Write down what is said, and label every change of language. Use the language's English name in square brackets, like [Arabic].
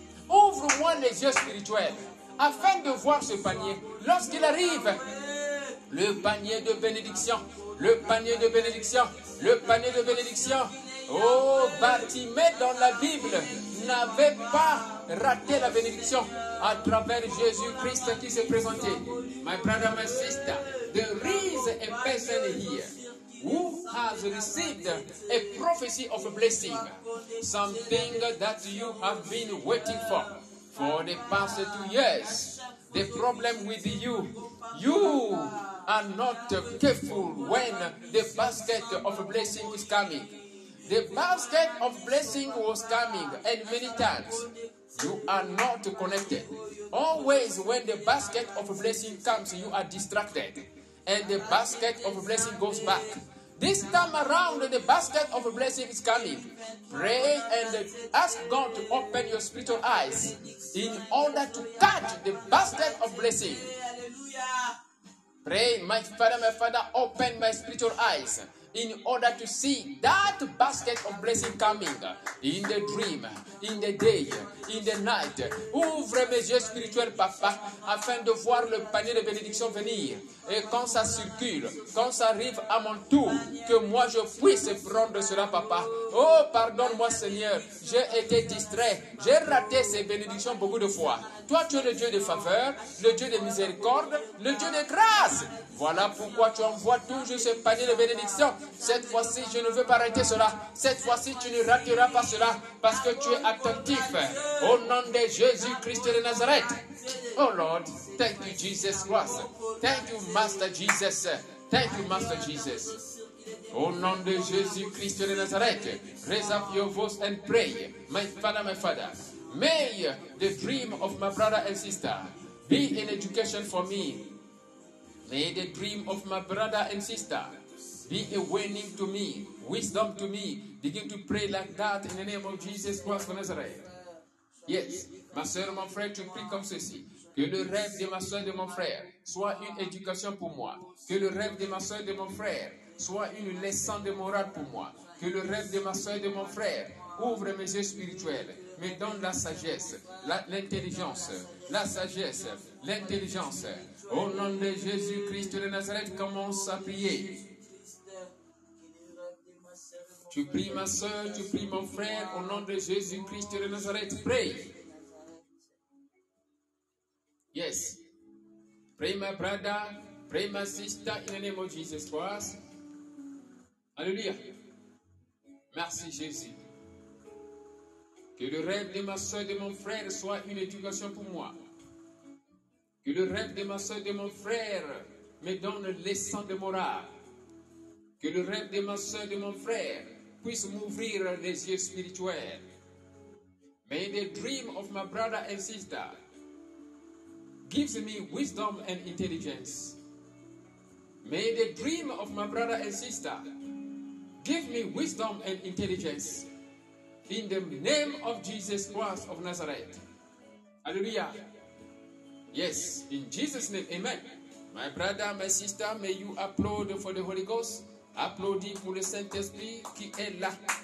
[French] Ouvre-moi les yeux spirituels afin de voir ce panier lorsqu'il arrive. Le panier de bénédiction, le panier de bénédiction, le panier de bénédiction. Oh, Bartimée dans la Bible n'avait pas raté la bénédiction à travers Jésus-Christ qui s'est présenté. [English] My brother, my sister, there is a person here who has received a prophecy of a blessing. Something that you have been waiting for. For the past 2 years, the problem with you, you are not careful when the basket of blessing is coming. The basket of blessing was coming, and many times you are not connected. Always when the basket of blessing comes, you are distracted, and the basket of blessing goes back. This time around, the basket of blessing is coming. Pray and ask God to open your spiritual eyes in order to catch the basket of blessing. Pray, my Father, open my spiritual eyes in order to see that basket of blessing coming in the dream, in the day, in the night. [French] Ouvre mes yeux spirituels, Papa, afin de voir le panier de bénédiction venir. Et quand ça circule, quand ça arrive à mon tour, que moi je puisse prendre cela, Papa. Oh, pardonne-moi, Seigneur, j'ai été distrait, j'ai raté ces bénédictions beaucoup de fois. Toi, tu es le Dieu de faveur, le Dieu de miséricorde, le Dieu de grâce. Voilà pourquoi tu envoies toujours ce panier de bénédictions. Cette fois-ci, je ne veux pas arrêter cela. Cette fois-ci, tu ne rateras pas cela parce que tu es attentif. Au nom de Jésus-Christ de Nazareth. [English] Oh Lord, thank you, Jesus Christ. Thank you, Master Jesus. Thank you, Master Jesus. [French] Au nom de Jésus-Christ de Nazareth, [English] raise up your voice and pray. My Father, may the dream of my brother and sister be an education for me. May the dream of my brother and sister be a warning to me, wisdom to me. Begin to pray like that in the name of Jesus Christ of Nazareth. [French] Yes, ma soeur, mon frère, tu pries comme ceci. Que le rêve de ma soeur et de mon frère soit une éducation pour moi. Que le rêve de ma soeur et de mon frère soit une leçon de morale pour moi. Que le rêve de ma soeur et de mon frère ouvre mes yeux spirituels. Me donne la sagesse, l'intelligence, la sagesse, l'intelligence. Au nom de Jésus-Christ de Nazareth, commence à prier. Tu pries ma soeur, tu pries mon frère, au nom de Jésus-Christ de Nazareth, [English] pray. [French] Yes. Pray my brother, pray my sister, in the name of Jesus Christ. Alléluia. Merci Jésus. Que le rêve de ma soeur et de mon frère soit une éducation pour moi. Que le rêve de ma soeur et de mon frère me donne leçon de morale. Que le rêve de ma soeur et de mon frère puisse m'ouvrir les yeux spirituels. [English] May the dream of my brother and sister gives me wisdom and intelligence. May the dream of my brother and sister give me wisdom and intelligence. In the name of Jesus Christ of Nazareth. Hallelujah. Yes, in Jesus' name, amen. My brother, my sister, may you applaud for the Holy Ghost. [French] Applaudis pour le Saint-Esprit qui est là.